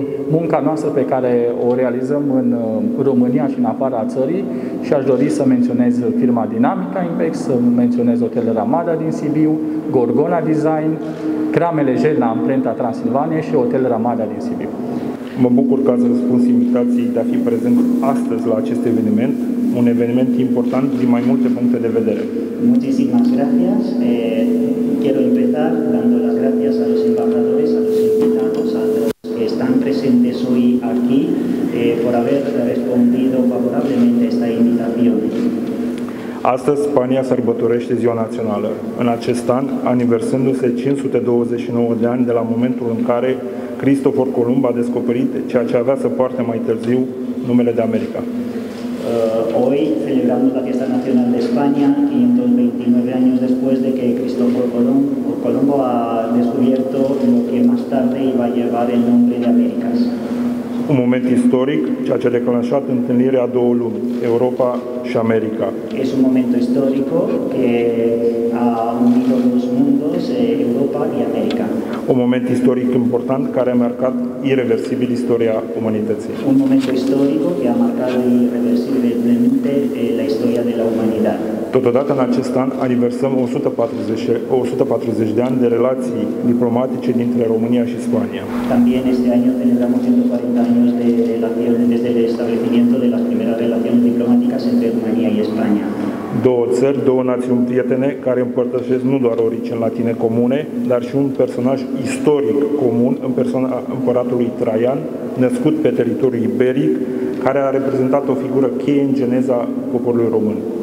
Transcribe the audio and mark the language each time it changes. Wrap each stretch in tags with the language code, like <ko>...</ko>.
<ro>munca noastră pe care o realizăm în România și în afara țării și aș dori să menționez firma Dinamica Impex, să menționez Hotel Ramada din Sibiu, Gorgona Design, Cramele Gel la amprenta Transilvania și Hotel Ramada din Sibiu. Mă bucur că ați răspuns invitației de a fi prezent astăzi la acest eveniment, un eveniment important din mai multe puncte de vedere.</ro> <es>Muchísimas gracias. Quiero empezar dando las gracias a los embajadores, a los invitados, a los que están presentes hoy aquí, por haber respondido favorablemente a esta invitación.</es> <ro>Astăzi Spania sărbătorește Ziua Națională. În acest an, aniversându-se 529 de ani de la momentul în care Cristofor Columb a descoperit ceea ce avea să poarte mai târziu numele de America.</ro> <es>Hoy celebramos la Fiesta Nacional de España, 529 años después de que Cristóbal Colombo ha descubierto lo que más tarde iba a llevar el nombre de Américas.</es> <ro>Un moment istoric, ceea ce a declanșat întâlnirea două lumi, Europa și America.</ro> <es>Es un momento histórico que ha unido los mundos, Europa y América.</es> <ro>Un moment istoric important care a marcat irreversibil istoria umanității.</ro> <es>Un momento histórico que ha marcado irreversiblemente la historia de la humanidad.</es> <ro>Totodată, în acest an, aniversăm 140 de ani de relații diplomatice dintre România și Spania.</ro> <es>También este año celebramos 140 años de relaciones desde el establecimiento de las primeras relaciones diplomáticas entre România y España.</es> <ro>Două țări, două națiuni prietene care împărtășesc nu doar origini latine comune, dar și un personaj istoric comun în persoana împăratului Traian, născut pe teritoriul iberic, care a reprezentat o figură cheie în geneza poporului român.</ro>